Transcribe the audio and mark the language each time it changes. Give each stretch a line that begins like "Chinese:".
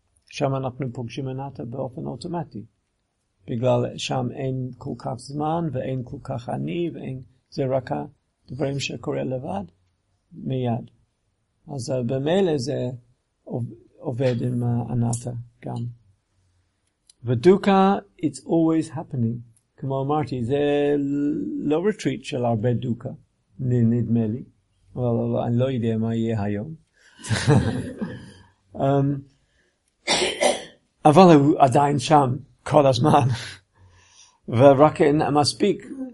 Hebrew: שם אנחנו פוגשים אנאטה באופן אוטומטי. בגלל שם אין כל כך זמן, ואין כל כך אני, ואין, זה רק הדברים שקורה לבד, מיד. אז במילא זה עובד עם אנאטה גם. ודוקה,
English: it's always happening.
Hebrew: כמו אמרתי, זה לא רטריט של הרבה דוקה, נדמה לי. אבל אני לא יודע מה יהיה היום. אבל הוא עדיין שם. כל הזמן. ורק אין מספיק.